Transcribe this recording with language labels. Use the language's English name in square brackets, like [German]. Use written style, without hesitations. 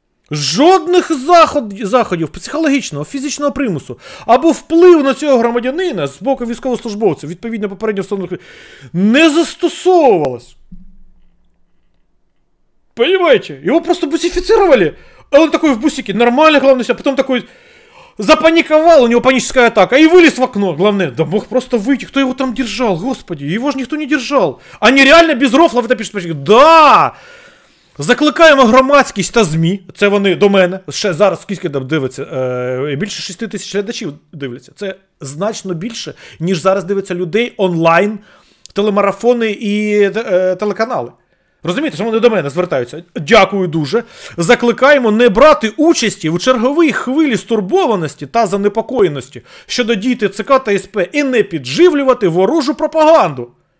[Ukrainian] Жодних заходів психологічного, фізичного примусу або вплив на цього громадянина з боку військовослужбовців, відповідно попередньо встановлених, не застосовувалось. Понімаєте? Його просто [Russian] бусифіцировали. [Ukrainian] А він такий в бусіки, нормальний головний себе, потім такий... [Russian] Запаниковал, у него паническая атака, и вылез в окно. Главное, да мог просто выйти. Кто его там держал? Господи, его же никто не держал. Они реально без рофлов это пишут. Да! [Ukrainian] Закликаємо громадськість та ЗМІ, це вони до мене, ще зараз скільки там дивиться, більше 6 тисяч глядачів дивляться. Це значно більше, ніж зараз дивиться людей онлайн, телемарафони і телеканали. Розумієте, що вони до мене звертаються? Дякую дуже. Закликаємо не брати участі в черговій хвилі стурбованості та занепокоєності щодо дій ТЦК та СП і не підживлювати ворожу пропаганду.